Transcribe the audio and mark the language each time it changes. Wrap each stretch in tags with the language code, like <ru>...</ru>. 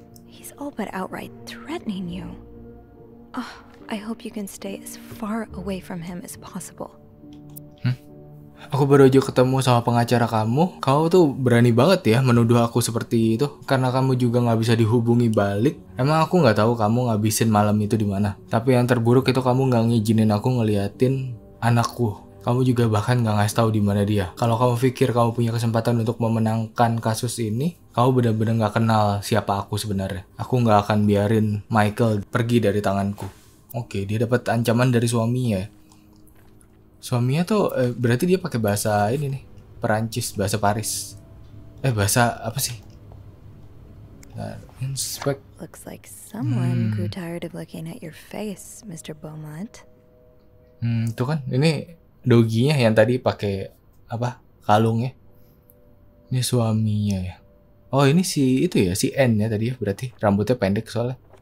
<en>He's all but outright threatening you. Oh, I hope you can stay as far away from him as possible.</en> <id>Aku baru aja ketemu sama pengacara kamu. Kamu tuh berani banget ya menuduh aku seperti itu. Karena kamu juga gak bisa dihubungi balik. Emang aku gak tahu kamu ngabisin malam itu di mana. Tapi yang terburuk itu kamu gak ngijinin aku ngeliatin anakku. Kamu juga bahkan gak ngasih tahu di mana dia. Kalau kamu pikir kamu punya kesempatan untuk memenangkan kasus ini, kamu benar-benar gak kenal siapa aku sebenarnya. Aku gak akan biarin Michael pergi dari tanganku. Oke, dia dapat ancaman dari suaminya. Suaminya tuh berarti dia pakai bahasa ini nih, Perancis, bahasa Paris. Bahasa apa sih?</id> <en>Inspect. Looks like someone grew tired of looking at your face, Mr. Beaumont.</en> <id>Tuh kan, ini doginya yang tadi pakai apa? Kalungnya. Ini suaminya ya. Oh, ini si itu ya, si N ya tadi ya, berarti rambutnya pendek soalnya.</id>